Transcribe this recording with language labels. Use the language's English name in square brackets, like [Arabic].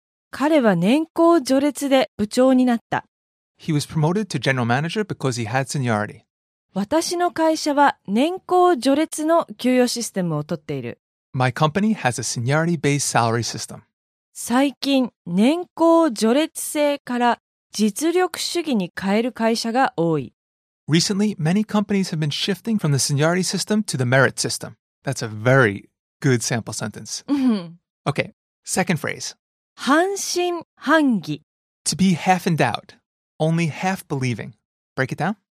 [Japanese] 彼は年功序列で部長になった。 [English] He was promoted to general manager because he had seniority. [Japanese] 私の会社は年功序列の給与システムを取っている。 [English] My company has a seniority-based salary system. [Japanese] 最近、年功序列制から実力主義に変える会社が多い。 [English] Recently, many companies have been shifting from the seniority system to the merit system. That's a very good sample sentence. Okay, second phrase. [Japanese] 半信半疑。 [English] To be half in doubt, only half believing. Break it down.